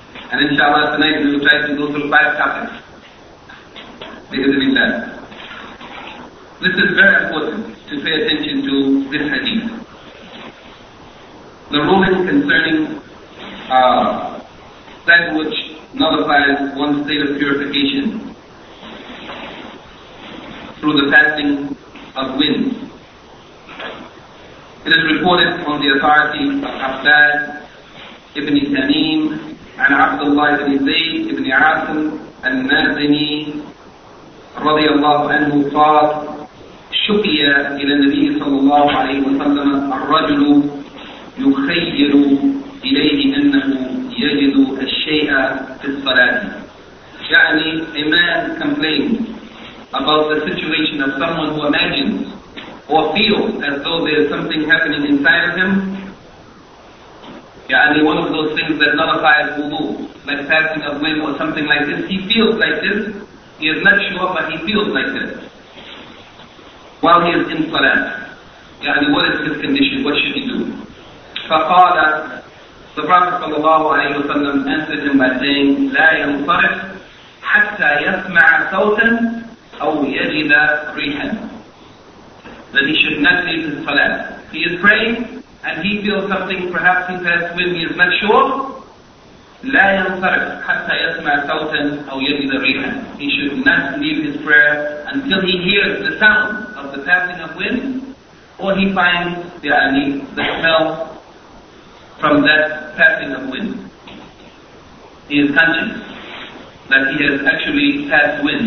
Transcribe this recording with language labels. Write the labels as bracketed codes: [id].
[en] And inshallah, tonight we will try to go through five topics. This is very important to pay attention to this hadith. The ruling concerning that which nullifies one's state of purification through the passing of wind. It is reported from the authority of Abdad ibn Tamim and Abdullah ibn Zayd ibn Asim and Nazini [ar] رضي الله عنه قال شقي إلى النبي صلى الله عليه وسلم الرجل يخيل إليه أنه يجد الشيء في الصلاة. يعني [en] a man complained about the situation of someone who imagines or feels as though there is something happening inside of him. [ar] يعني [en] one of those things that nullifies wudu, like passing of wind or something like this. He feels like this. He is not sure, but he feels like this while he is in salat. [ar] يعني [en] what is his condition? What should he do? [ar] فقال [en] the Prophet [ar] صلى الله عليه وسلم [en] answered him by saying [ar] لا ينصرف حتى يسمع صوتا أو يجد ريحا. [en] That he should not leave his salat. He is praying and he feels something, perhaps he has wind, he is not sure. [ar] لا ينصرف حتى يسمع صوتا أو يجد ريحا. [en] He should not leave his prayer until he hears the sound of the passing of wind, or he finds the smell from that passing of wind. He is conscious that he has actually passed wind.